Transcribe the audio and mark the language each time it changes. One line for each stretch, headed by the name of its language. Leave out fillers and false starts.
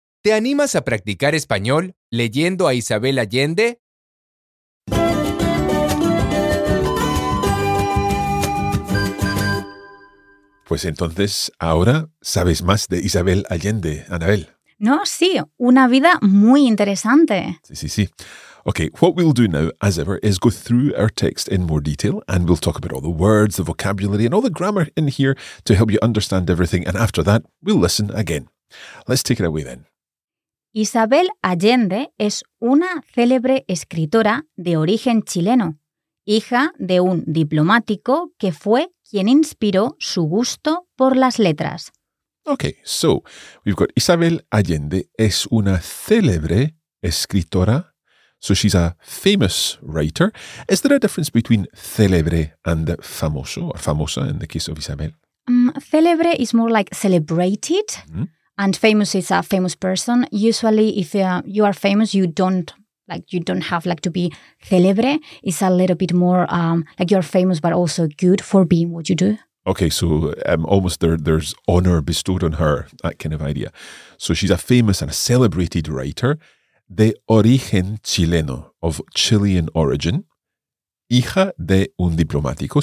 Spanish: ¿Te animas a practicar español leyendo a Isabel Allende? Pues entonces, ahora sabes más de Isabel Allende, Anabel. No, sí, una vida muy interesante. Sí, sí, sí.
English: Okay, what we'll do now, as ever, is go through our text in more detail, and we'll talk about all the words, the vocabulary, and all the grammar in here to help you understand everything, and after that, we'll listen again. Let's take it away then.
Spanish: Isabel Allende es una célebre escritora de origen chileno, hija de un diplomático que fue quien inspiró su gusto por las letras.
English: Okay, so we've got Isabel Allende
Spanish: es una célebre escritora.
English: So she's a famous writer. Is there a difference between célebre and famoso, or famosa in the case of Isabel? Célebre is more like celebrated, and famous is a famous person. Usually, if you are famous, you don't have like to be célebre. It's a little bit more like you're famous, but also good for being what you do. Okay, so almost there's honor bestowed on her, that kind of idea. So she's a famous and a celebrated writer.
Spanish: De origen chileno,
English: of Chilean origin,
Spanish: hija de un diplomático.